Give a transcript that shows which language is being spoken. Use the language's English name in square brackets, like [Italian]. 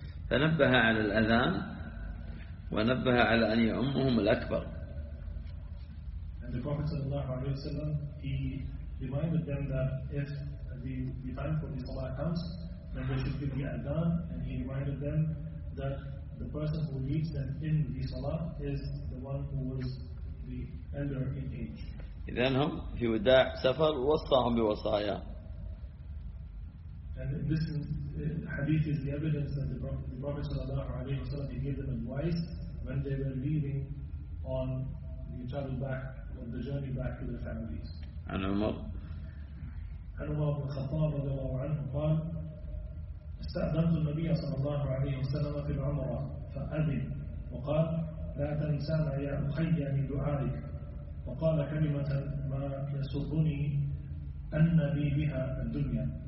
[Arabic] فنبه على الأذان ونبه على أن يؤمهم الأكبر. [English] And the Prophet [Arabic] صلى الله عليه وسلم [English] he reminded them that if the time for the salah comes, then they should give the adhan, and he reminded them that the person who leads them in the salah is the one who was the elder in age. [Arabic] إذن هم في وداع سفر وصاهم بوصايا. [English] And this hadith is the evidence that the Prophet sallallahu alaihi wasallam gave them advice when they were leaving on the travel back, on the journey back to their families. And Umar. [Arabic] And Umar bin Khattab radiallahu anhu قال استأذنت النبي صلى الله عليه وسلم في العمرة فأذن وقال لا تنسانا يا أخي من دعائك. وقال كلمة ما يسرني أن لي بها الدنيا.